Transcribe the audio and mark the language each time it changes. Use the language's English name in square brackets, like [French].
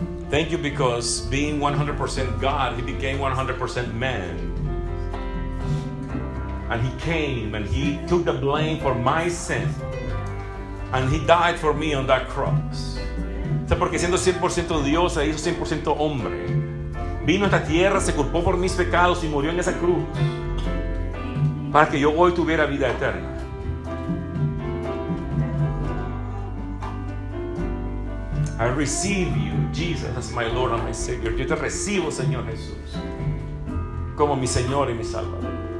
[English] Thank you because being 100% God, he became 100% man. And he came and he took the blame for my sin. And he died for me on that cross. [Spanish] Porque siendo 100% Dios, se hizo 100% hombre. Vino a esta tierra, se culpó por mis pecados y murió en esa cruz. Para que yo hoy tuviera vida eterna. [English] I receive you, Jesus, as my Lord and my Savior. [Spanish] Yo te recibo, Señor Jesús, como mi Señor y mi Salvador.